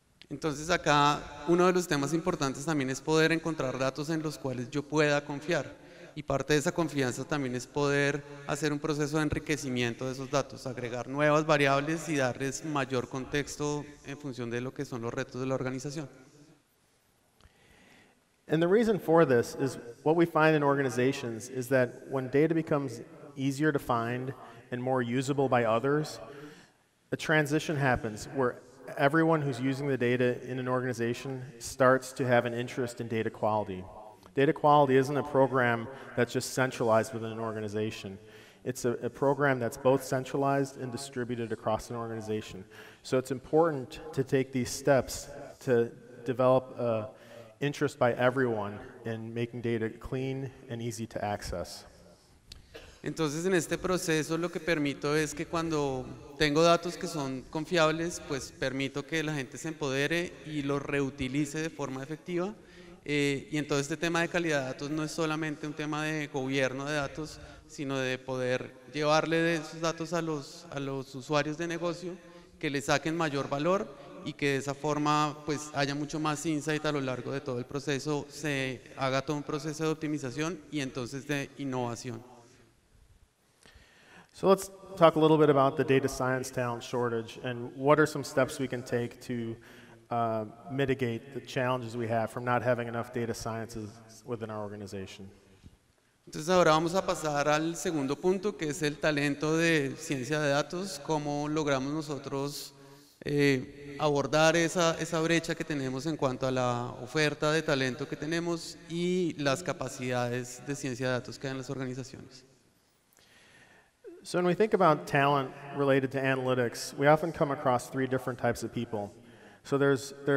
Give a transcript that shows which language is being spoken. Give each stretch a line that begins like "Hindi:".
Spanish: Entonces acá uno de los temas importantes también es poder encontrar datos en los cuales yo pueda confiar. Y parte de esa confianza también es poder hacer un proceso de enriquecimiento de esos datos, agregar nuevas variables y darles mayor contexto en función de lo que son los retos de la organización.
English: And the reason for this is what we find in organizations is that when data becomes easier to find and more usable by others, a transition happens where everyone who's using the data in an organization starts to have an interest in data quality. Data quality isn't a program that's just centralized within an organization. It's a program that's both centralized and distributed across an organization. So it's important to take these steps to develop interest by everyone in making data clean and easy to access.
Spanish: Entonces, en este proceso, lo que permito es que cuando tengo datos que son confiables, pues permito que la gente se empodere y lo reutilice de forma efectiva. Y en todo este tema de calidad de datos no es solamente un tema de gobierno de datos, sino de poder llevarle de esos datos a los usuarios de negocio, que le saquen mayor valor y que de esa forma pues haya mucho más insight a lo largo de todo el proceso, se haga todo un proceso de optimización y entonces de innovación.
English: So let's talk a little bit about the data science talent shortage and what are some steps we can take to mitigate the challenges we have from not having enough data sciences within our organization.
Spanish: Entonces ahora vamos a pasar al segundo punto, que es el talento de ciencia de datos. ¿Cómo logramos nosotros abordar esa brecha que tenemos en cuanto a la oferta de talento que tenemos y las capacidades de ciencia de datos que hay en las organizaciones?
English: So when we think about talent related to analytics, we often come across three different types of people. So there's